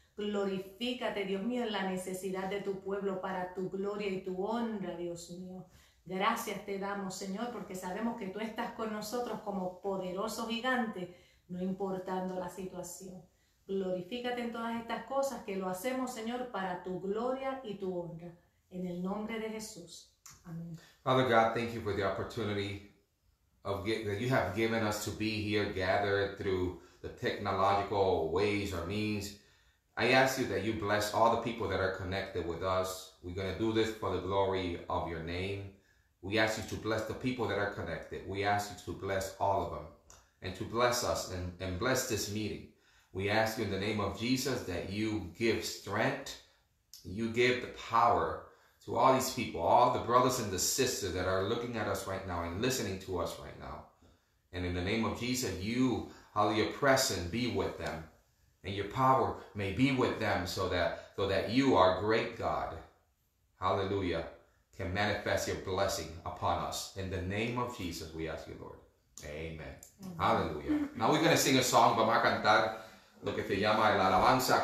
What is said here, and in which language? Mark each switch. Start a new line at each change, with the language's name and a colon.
Spanish: Glorifícate, Dios mío, en la necesidad de tu pueblo para tu gloria y tu honra, Dios mío. Gracias te damos, Señor, porque sabemos que tú estás con nosotros como poderoso gigante, no importando la situación. Glorifícate en todas estas cosas que lo hacemos, Señor, para tu gloria y tu honra. En el nombre de Jesús. Amén.
English: Father God, thank you for the opportunity that you have given us to be here gathered through the technological ways or means. I ask you that you bless all the people that are connected with us. We're going to do this for the glory of your name. We ask you to bless the people that are connected. We ask you to bless all of them and to bless us and bless this meeting. We ask you in the name of Jesus that you give strength, you give the power to all these people, all the brothers and the sisters that are looking at us right now and listening to us right now. And in the name of Jesus, you, Holy Oppressant, be with them. And your power may be with them so that you, our great God, hallelujah, can manifest your blessing upon us. In the name of Jesus, we ask you, Lord. Amen. Hallelujah. Now we're going to sing a song.
Spanish: Vamos a cantar lo que se llama el alabanza.